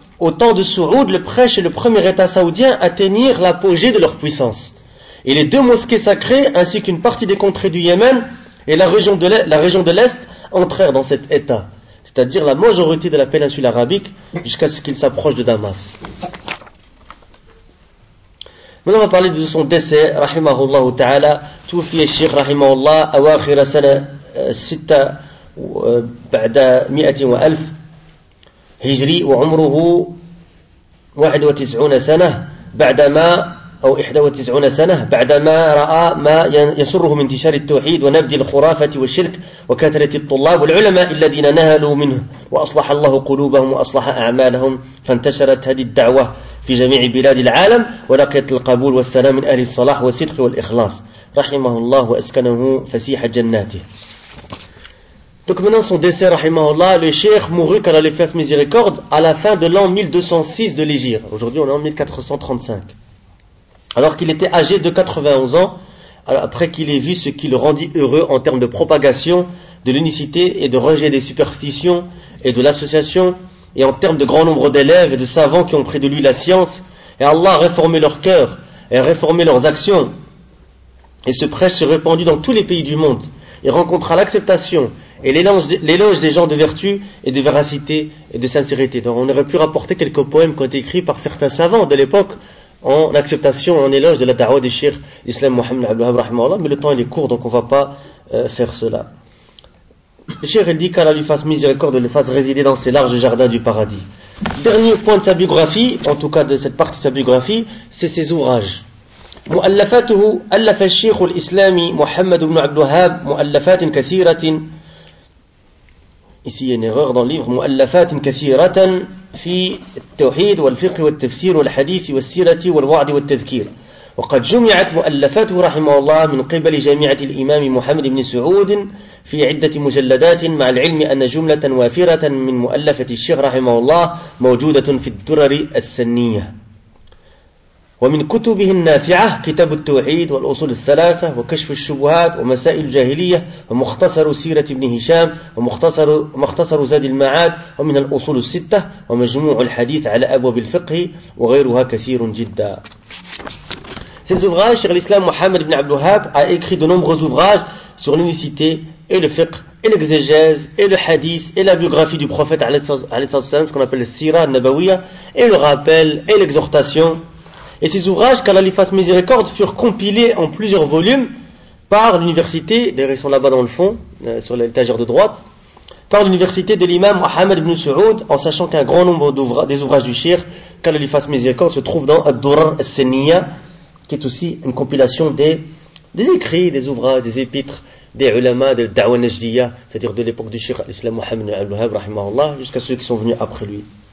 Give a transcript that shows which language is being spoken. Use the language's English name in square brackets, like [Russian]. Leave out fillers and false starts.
[French] Au temps de Saoud, le prêche et le premier état saoudien atteignirent l'apogée de leur puissance. Et les deux mosquées sacrées, ainsi qu'une partie des contrées du Yémen et la région de l'Est, entrèrent dans cet état, c'est-à-dire la majorité de la péninsule arabique, jusqu'à ce qu'ils s'approchent de Damas. Maintenant, on va parler de son décès, rahimahullah ta'ala, [Arabic] توفي الشيخ رحمه الله أواخر سنة 6 بعد 100,000 هجري وعمره 91 سنة بعدما أو 91 سنة بعدما رأى ما يسره من انتشار التوحيد ونبذ الخرافة والشرك وكثرة الطلاب والعلماء الذين نهلوا منه وأصلح الله قلوبهم وأصلح أعمالهم فانتشرت هذه الدعوة في جميع بلاد العالم ولقيت القبول والثناء من أهل الصلاح والصدق والإخلاص رحمه الله وأسكنه فسيح جناته. [French] Donc maintenant son décès, rahimahullah, le cheikh mourut, qu'Allah lui fasse miséricorde, à la fin de l'an 1206 de l'Hégire. Aujourd'hui on est en 1435. Alors qu'il était âgé de 91 ans, après qu'il ait vu ce qui le rendit heureux en termes de propagation, de l'unicité et de rejet des superstitions et de l'association, et en termes de grand nombre d'élèves et de savants qui ont pris de lui la science, et Allah a réformé leur cœur et a réformé leurs actions. Et ce prêche s'est répandu dans tous les pays du monde. il rencontra l'acceptation et l'éloge des gens de vertu et de véracité et de sincérité. Donc on aurait pu rapporter quelques poèmes qui ont été écrits par certains savants de l'époque en acceptation, en éloge de la da'wah des Cheikh Islam Mohammed Abdelwahab Rahimahullah, mais le temps il est court donc on ne va pas faire cela. Le Cheikh dit qu'Allah lui fasse miséricorde et le fasse résider dans ses larges jardins du paradis. Dernier point de sa biographie, en tout cas de cette partie de sa biographie, c'est ses ouvrages. [Arabic] مؤلفاته ألف الشيخ الإسلامي محمد بن عبد الوهاب مؤلفات كثيرة [French] ici une erreur dans le livre [Arabic] مؤلفات كثيرة في التوحيد والفقه والتفسير والحديث والسيرة والوعد والتذكير وقد جمعت مؤلفاته رحمه الله من قبل جامعة الإمام محمد بن سعود في عدة مجلدات مع العلم أن جملة وافرة من مؤلفة الشيخ رحمه الله موجودة في الدرر السنية ومن كتبه النافعة كتاب التوحيد والأصول الثلاثة وكشف الشبهات ومسائل الجاهلية ومختصر سيرة ابن هشام ومختصر زاد المعاد ومن الأصول الستة ومجموع الحديث على أبواب الفقه وغيرها كثير جدا. [French] Ces ouvrages, Cheikh l'Islam Mohammed ibn Abdul Wahhab a écrit de nombreux ouvrages sur l'unicité et le fiqh et l'exégèse et le hadith et la biographie du prophète [Arabic] عليه الصلاة والسلام, [French] ce qu'on appelle le sirah nabawiya, et le rappel et l'exhortation. Et ces ouvrages, qu'Allah lui fasse miséricorde, furent compilés en plusieurs volumes par l'université, d'ailleurs ils sont là-bas dans le fond, sur l'étagère de droite, par l'université de l'imam Mohammed ibn Saoud, en sachant qu'un grand nombre des ouvrages du Cheikh, qu'Allah lui fasse miséricorde, se trouvent dans Ad-Durar al-Saniya, qui est aussi une compilation des écrits, des ouvrages, des épîtres, des ulama, de Da'wa Najdiya, c'est-à-dire de l'époque du Cheikh Islam Mohammed ibn al-Wahhab, rahimahullah, jusqu'à ceux qui sont venus après lui.